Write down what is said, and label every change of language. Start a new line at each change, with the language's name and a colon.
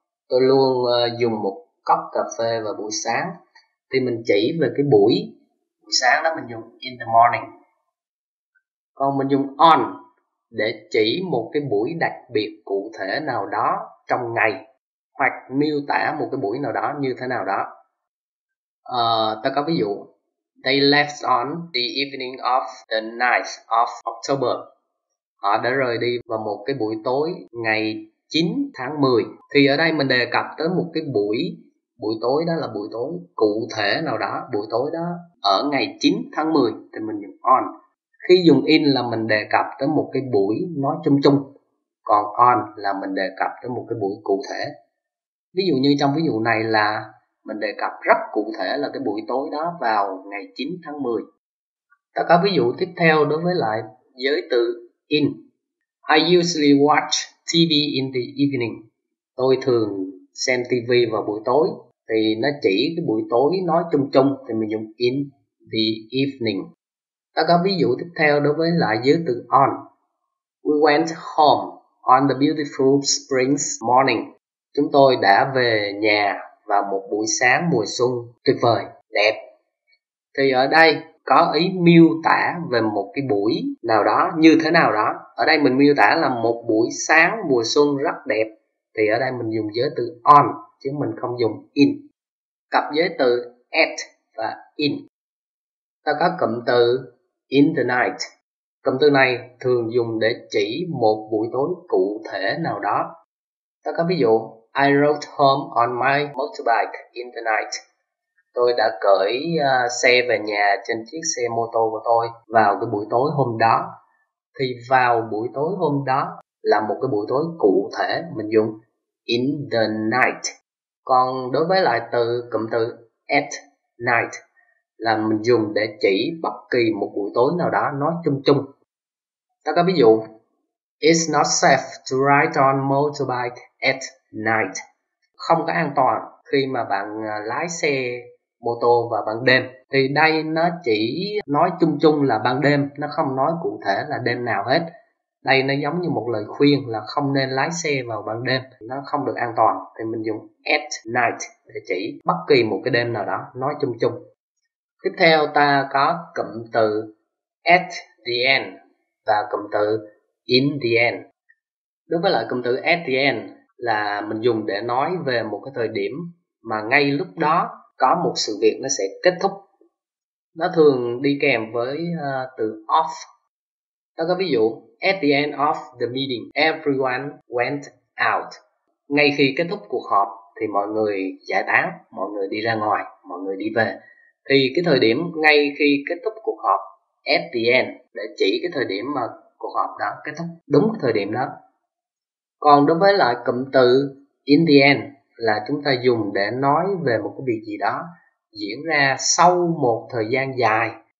Vietnamese: Tôi luôn dùng một cốc cà phê vào buổi sáng. Thì mình chỉ về cái buổi sáng đó, mình dùng
English: in the morning.
Vietnamese: Còn mình dùng on để chỉ một cái buổi đặc biệt cụ thể nào đó trong ngày, hoặc miêu tả một cái buổi nào đó như thế nào đó. Ta có ví dụ,
English: they left on the evening of the 9th of October.
Vietnamese: Họ đã rời đi vào một cái buổi tối ngày 9 tháng 10. Thì ở đây mình đề cập tới một cái buổi tối đó là buổi tối cụ thể nào đó, buổi tối đó ở ngày 9 tháng 10 thì mình dùng on. Khi dùng in là mình đề cập tới một cái buổi nói chung chung, Còn on là mình đề cập tới một cái buổi cụ thể. Ví dụ như trong ví dụ này là mình đề cập rất cụ thể là cái buổi tối đó vào ngày 9 tháng 10. Ta có ví dụ tiếp theo đối với lại giới từ in.
English: I usually watch TV in the evening.
Vietnamese: Tôi thường xem TV vào buổi tối. Thì nó chỉ cái buổi tối nói chung chung thì mình dùng
English: in the evening.
Vietnamese: Ta có ví dụ tiếp theo đối với lại giới từ on.
English: We went home on the beautiful spring morning.
Vietnamese: Chúng tôi đã về nhà vào một buổi sáng mùa xuân tuyệt vời, đẹp. Thì ở đây có ý miêu tả về một cái buổi nào đó, như thế nào đó. Ở đây mình miêu tả là một buổi sáng mùa xuân rất đẹp. Thì ở đây mình dùng giới từ on, chứ mình không dùng in. Cặp giới từ at và in. Ta có cụm từ
English: in the night.
Vietnamese: Cụm từ này thường dùng để chỉ một buổi tối cụ thể nào đó. Ta có ví dụ,
English: I rode home on my motorbike in the night.
Vietnamese: Tôi đã cưỡi xe về nhà trên chiếc xe mô tô của tôi vào cái buổi tối hôm đó. Thì vào buổi tối hôm đó là một cái buổi tối cụ thể, mình dùng
English: in the night.
Vietnamese: Còn đối với lại từ cụm từ
English: at night
Vietnamese: là mình dùng để chỉ bất kỳ một buổi tối nào đó, nói chung chung. Ta có ví dụ,
English: it's not safe to ride on motorbike at night.
Vietnamese: Không có an toàn khi mà bạn lái xe mô tô vào ban đêm. Thì đây nó chỉ nói chung chung là ban đêm, nó không nói cụ thể là đêm nào hết. Đây nó giống như một lời khuyên là không nên lái xe vào ban đêm, nó không được an toàn. Thì mình dùng
English: at night
Vietnamese: để chỉ bất kỳ một cái đêm nào đó, nói chung chung. Tiếp theo ta có cụm từ
English: at the end
Vietnamese: và cụm từ
English: in the end.
Vietnamese: Đối với lại cụm từ
English: at the end
Vietnamese: là mình dùng để nói về một cái thời điểm mà ngay lúc đó có một sự việc nó sẽ kết thúc. Nó thường đi kèm với từ off. Ta có ví dụ,
English: at the end of the meeting, everyone went out.
Vietnamese: Ngay khi kết thúc cuộc họp thì mọi người giải tán, mọi người đi ra ngoài, mọi người đi về. Thì cái thời điểm ngay khi kết thúc cuộc họp,
English: at the end,
Vietnamese: để chỉ cái thời điểm mà cuộc họp đã kết thúc, đúng thời điểm đó. Còn đối với lại cụm từ
English: in the end
Vietnamese: là chúng ta dùng để nói về một cái việc gì đó diễn ra sau một thời gian dài.